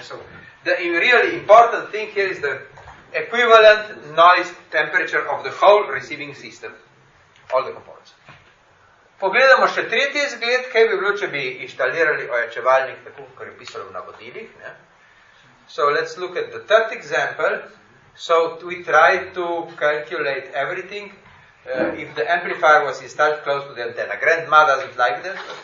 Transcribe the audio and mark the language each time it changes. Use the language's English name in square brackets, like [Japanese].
[English] So, the really important thing here is the equivalent noise temperature of the whole receiving system, all the components. [Slovenian] Pogledamo še tretji zgled, kaj bi bilo, če bi inštalirali ojačevalnik, tako kot je pisalo v navodilih. Ne? [English] So let's look at the third example. So we try to calculate everything. If the amplifier was installed close to the antenna. Grandma doesn't like that.